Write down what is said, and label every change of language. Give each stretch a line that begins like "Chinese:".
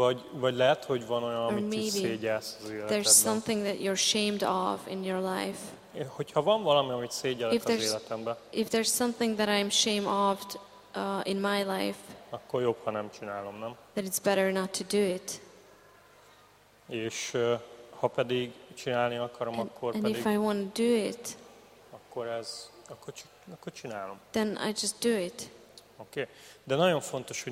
Hungarian: Vagy lehet, hogy van olyan, amit szégyelsz az életedben.
English: There's something that you're ashamed of in your life.
Hungarian: Hogyha van valami, amit szégyellek az életemben.
English: If there's something that I'm ashamed of in my life.
Hungarian: Akkor jobb, ha nem csinálom, nem?
English: That it's better not to do it.
Hungarian: És ha pedig csinálni akarom,
English: and if I want to do it,
Hungarian: akkor csinálom.
English: Then I just do it.
Hungarian: Okay. De nagyon fontos, hogy